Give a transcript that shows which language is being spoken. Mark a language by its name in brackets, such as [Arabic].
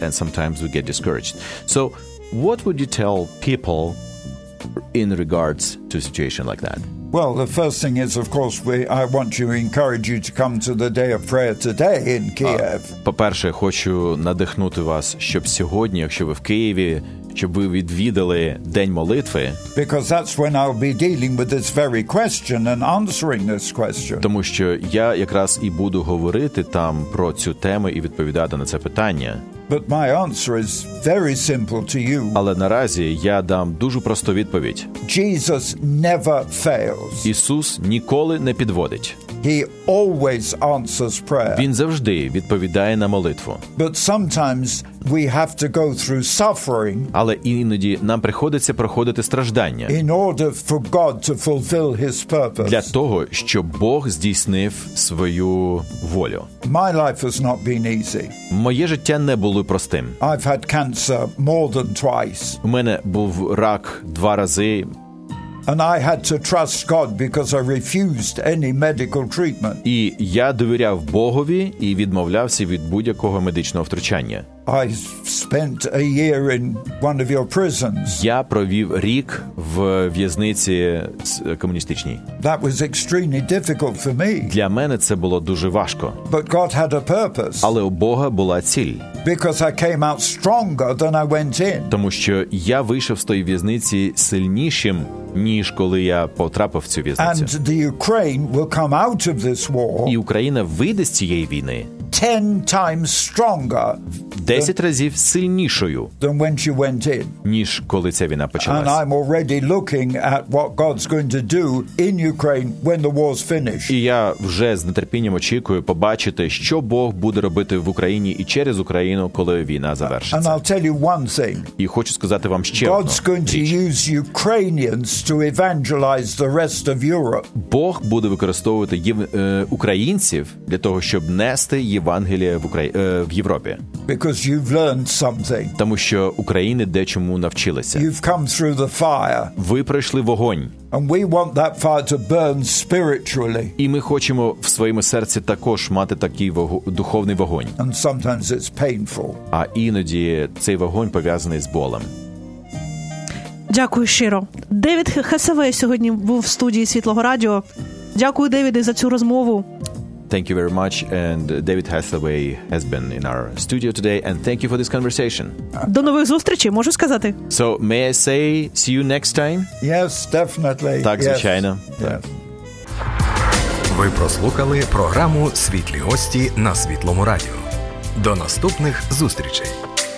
[English] And sometimes we get discouraged. So what would you tell people in regards to a situation like that? Well, the first thing is, of course, I want to encourage you to come to the day of prayer today in Kiev. [Ukrainian] По-перше, хочу надихнути вас, щоб сьогодні, якщо ви в Києві, щоб ви відвідали день молитви. [English] Because that's when I'll be dealing with this very question and answering this question. [Ukrainian] Тому що я якраз і буду говорити там про цю тему і відповідати на це питання. [English] But my answer is very simple to you. [Ukrainian] Але наразі я дам дуже просту відповідь. [English] Jesus never fails. [Ukrainian] Ісус ніколи не підводить. [English] He always answers prayer. [Ukrainian] Він завжди відповідає на молитву. [English] But sometimes we have to go through suffering. [Ukrainian] Але іноді нам приходиться проходити страждання. [English] In order for God to fulfill his purpose. [Ukrainian] Для того, щоб Бог здійснив свою волю. [English] My life has not been easy. [Ukrainian] Моє життя не було простим. [English] I've had cancer more than twice. [Ukrainian] У мене був рак два рази. [English] And I had to trust God because I refused any medical treatment. [Ukrainian] І я довіряв Богові і відмовлявся від будь-якого медичного втручання. [English] I spent a year in one of your prisons. [Ukrainian] Я провів рік в в'язниці комуністичній. [English] That was extremely difficult for me. [Ukrainian] Для мене це було дуже важко. [English] But God had a purpose. [Ukrainian] Але у Бога була ціль. [English] Because I came out stronger than I went in. [Ukrainian] Тому що я вийшов з тої в'язниці сильнішим, ніж коли я потрапив в цю в'язницю. [English] And the Ukraine will come out of this war. [Ukrainian] І Україна вийде з цієї війни. [English] 10 times stronger. [Ukrainian] 10 разів сильнішою, [English] than when she went in. [Ukrainian] Ніж коли ця війна почалась. [English] And I'm already looking at what God's going to do in Ukraine when the war's finished. [Ukrainian] І я вже з нетерпінням очікую побачити, що Бог буде робити в Україні і через Україну, коли війна завершиться. [English] And I'll tell you one thing. [Ukrainian] І хочу сказати вам ще одну. [English] God's going to use Ukrainians to evangelize the rest of Europe. [Ukrainian] Бог буде використовувати українців для того, щоб нести Євангелія в в Європі. [English] Because you've learned something. [Ukrainian] Тому що України дечому навчилися. [English] You've come through the fire. [Ukrainian] Ви пройшли вогонь. [English] And we want that fire to burn spiritually. [Ukrainian] І ми хочемо в своєму серці також мати такий духовний вогонь. [English] And sometimes it's painful. [Ukrainian] А іноді цей вогонь пов'язаний з болем. Дякую щиро. Девід Хесавей сьогодні був в студії Світлого Радіо. Дякую, Девіде, за цю розмову. [English] Thank you very much, and David Hathaway has been in our studio today, and thank you for this conversation. [Ukrainian] До нових зустрічей, можу сказати. [English] So, may I say, see you next time? Yes, definitely. [Ukrainian] Так, звичайно. Ви прослухали програму «Світлі гості» на Світлому Радіо. До наступних зустрічей!